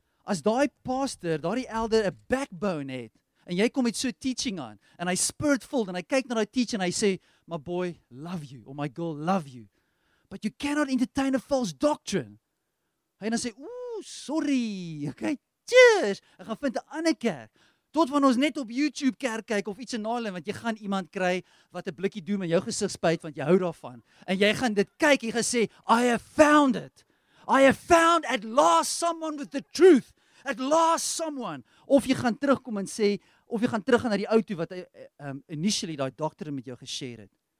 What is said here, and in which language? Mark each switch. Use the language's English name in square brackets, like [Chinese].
[Afrikaans] As daai pastor, daai elder 'n backbone het, en jy kom met so teaching aan en hy spirit filled en hy kyk na daai teach en hy sê [English] my boy love you or my girl love you but you cannot entertain a false doctrine. [Afrikaans] Hy en hy sê ooh sorry, okay, cheers. Ek gaan vind 'n ander kerk. Tot wanneer ons net op YouTube kerk kyk of iets anders en want jy gaan iemand kry wat 'n blikkie doem in jou gesig spuit want jy hou daarvan en jy gaan dit kyk en jy sê [English] I have found it. I have found at last someone with the truth. At last someone. [Afrikaans] Of jy gaan terugkom en sê, of jy gaan terug gaan na die ou toe wat initially daai dokter met jou geshare het.